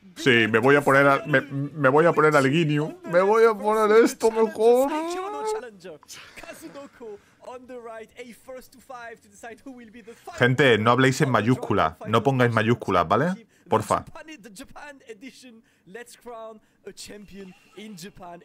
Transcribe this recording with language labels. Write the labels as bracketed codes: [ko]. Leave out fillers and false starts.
[es] Sí, me voy a poner me voy a poner al guinio. Me voy a poner esto mejor. [en] Kazunoko on the right, a first to five to decide who will be the final. [es] Gente, no habléis en mayúscula, no pongáis mayúsculas, ¿vale? Porfa. [en] The Japan edition, let's crown a champion in Japan.